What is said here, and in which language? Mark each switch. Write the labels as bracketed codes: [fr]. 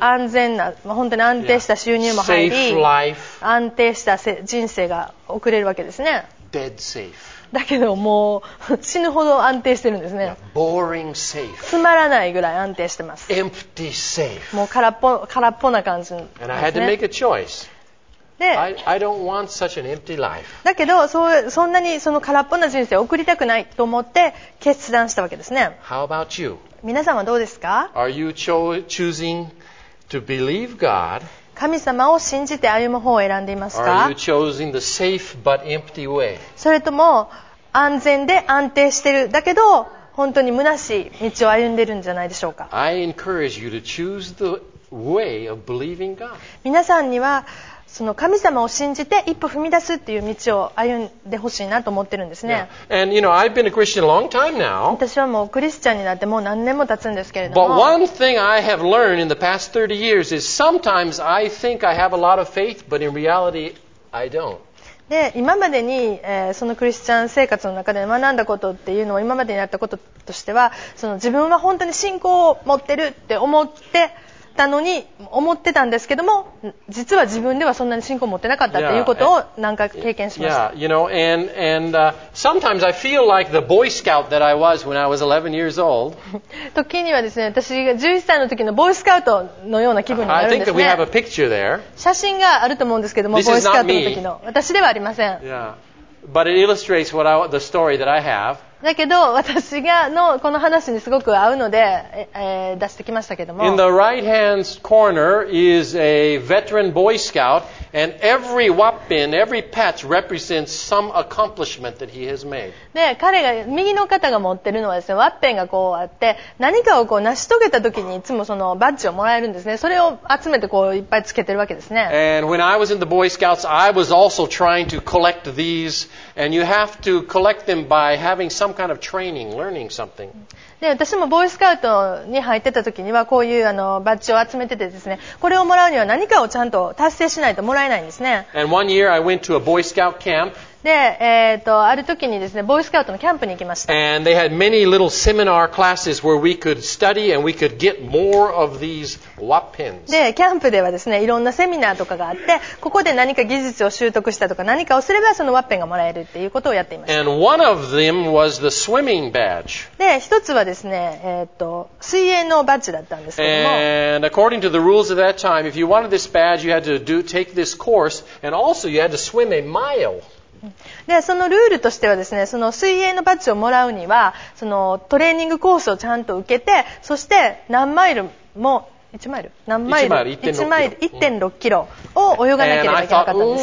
[ja] 安全な、もう本当に安定した収入も入り、 [en] safe life, [ja] 安定した人生が送れるわけですね。 [en] dead safe. [ja] だけどもう死ぬほど安定してるんですね。 [en] Boring safe. [ja] つまらないぐらい安定してます。 [en] Empty safe. [ja] もう空っぽな感じなんですね。 [en] And I had to make a choice. [ja] で、 [en] I don't want such an empty life. [ja] だけどそんなにその空っぽな人生を送りたくないと思って決断したわけですね。 [en] How about you? [ja] 皆さんはどうですか? [en] Are you choosing to believe God? [ja] 神様を信じて歩む方を選んでいますか? [en] Are you choosing the safe but empty way? [ja] それとも安全で安定してるだけど本当に虚しい道を歩んでるんじゃないでしょうか? [en] I encourage you to choose the way of believing God. [ja] 皆さんにはその神様を信じて一歩踏み出すっていう道を歩んでほしいなと思ってるんですね。 [en] Yeah. And you know, I've been a Christian a long time now. [ja] 私はもうクリスチャンになってもう何年も経つんですけれども。 [en] But one thing I have learned in the past 30 years is sometimes I think I have a lot of faith, but in reality, I don't. [ja] で今までに、そのクリスチャン生活の中で学んだことっていうのを今までにあったこととしてはその自分は本当に信仰を持ってるって思ってたのに思ってたんですけども実は自分ではそんなに信仰を持ってなかったっていうことを何回か経験しました。 [en] Yeah, you know, and sometimes I feel like the Boy Scout that I was when I was 11 years old. [ja] 時にはですね、私が11歳の時のボーイスカウトのような気分になるんですね。 [en] I think we have a picture there. [ja] 写真があると思うんですけども、ボーイスカウトの時の。私ではありません。 [en] Yeah, but it illustrates what I, the story that I have. [ja] だけど私がのこの話にすごく合うので、出してきましたけども [en] In the right hand corner is a veteran boy scout and every weapon, every patch represents some accomplishment that he has made. [ja] で彼が右の方が持ってるのはですねワッペンがこうあって何かをこう成し遂げた時にいつもそのバッジをもらえるんですね。それを集めてこういっぱいつけてるわけですね。 [en] And when I was in the boy scouts I was also trying to collect these and you have to collect them by havingsome kind of training, learning something. [ja] で私もボーイスカウトに入ってた時にはこういうあのバッジを集めててですね、これをもらうには何かをちゃんと達成しないともらえないんですね。 [en] And one year I went to a boy scout camp. [ja] で、ある時にですね、ボーイスカウトのキャンプに行きました。 [en] And they had many little seminar classes where we could study and we could get more of these weapons. [ja] で、キャンプではですね、いろんなセミナーとかがあって、ここで何か技術を習得したとか、何かをすればそのワッペンがもらえるっていうことをやっていました。 [en] And one of them was the swimming badge. [ja] で、一つはですね、水泳のバッジだったんですけども。 [en] And according to the rules of that time, if you wanted this badge, you had to take this course and also you had to swim a mile. [ja] でそのルールとしてはですね、その水泳のバッジをもらうにはそのトレーニングコースをちゃんと受けて、そして何マイルも1マイル何マイル 1マイル 1.6 キロを泳がなければいけなかったんです。